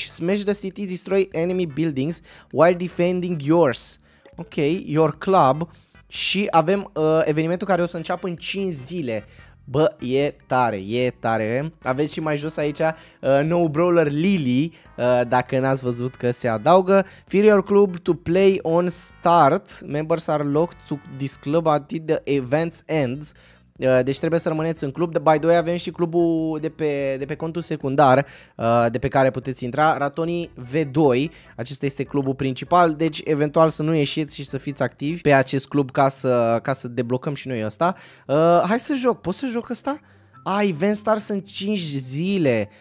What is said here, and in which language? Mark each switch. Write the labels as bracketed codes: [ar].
[en] Smash the city, destroy enemy buildings while defending yours. Ok, your club. [ro] Și avem evenimentul care o să înceapă în 5 zile. Bă, e tare, e tare. Aveți și mai jos aici nou brawler Lily, dacă n-ați văzut că se adaugă. [en] Fear your club to play on start. Members are locked to this club until the event ends. [ro] Deci trebuie să rămâneți în club. [en] By the way, [ro] avem și clubul de pe contul secundar, de pe care puteți intra, Ratoni V2. Acesta este clubul principal. Deci eventual să nu ieșiți și să fiți activi pe acest club ca să deblocăm și noi ăsta. Hai să joc, pot să joc ăsta? Ah, Event Star sunt 5 zile.